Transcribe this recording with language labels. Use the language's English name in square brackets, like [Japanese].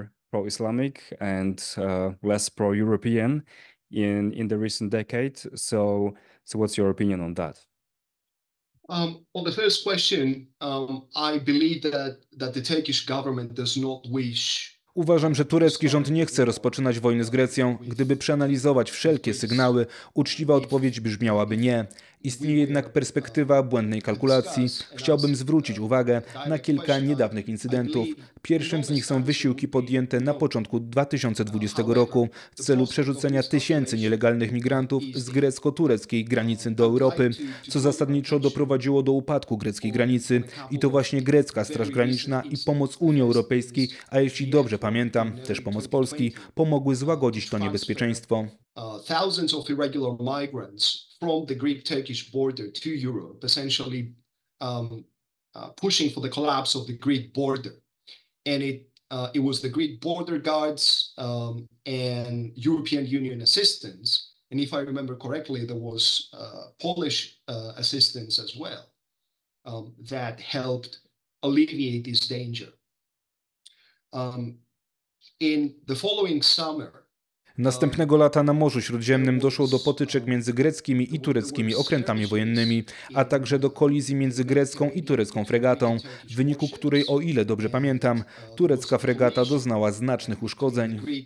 [English] Pro-Islamic and less pro-European in the recent decade. So what's your opinion on that? On the first question, I believe that the Turkish government does not wish. [Polish] Uważam, że turecki rząd nie chce rozpoczynać wojny z Grecją. Gdyby przeanalizować wszelkie sygnały, uczciwa odpowiedź brzmiałaby nie. Istnieje jednak perspektywa błędnej kalkulacji. Chciałbym zwrócić uwagę na kilka niedawnych incydentów. Pierwszym z nich są wysiłki podjęte na początku 2020 roku w celu przerzucenia tysięcy nielegalnych migrantów z grecko-tureckiej granicy do Europy, co zasadniczo doprowadziło do upadku greckiej granicy. I to właśnie grecka Straż Graniczna i pomoc Unii Europejskiej, a jeśli dobrze pamiętam, też pomoc Polski, pomogły złagodzić to niebezpieczeństwo. [English] Thousands of irregular migrants from the Greek-Turkish border to Europe, essentially pushing for the collapse of the Greek border. And it was the Greek border guards and European Union assistance. And if I remember correctly, there was Polish assistance as well that helped alleviate this danger. In the following summer, [Polish] następnego lata na Morzu Śródziemnym doszło do potyczek między greckimi i tureckimi okrętami wojennymi, a także do kolizji między grecką i turecką fregatą, w wyniku której, o ile dobrze pamiętam, turecka fregata doznała znacznych uszkodzeń.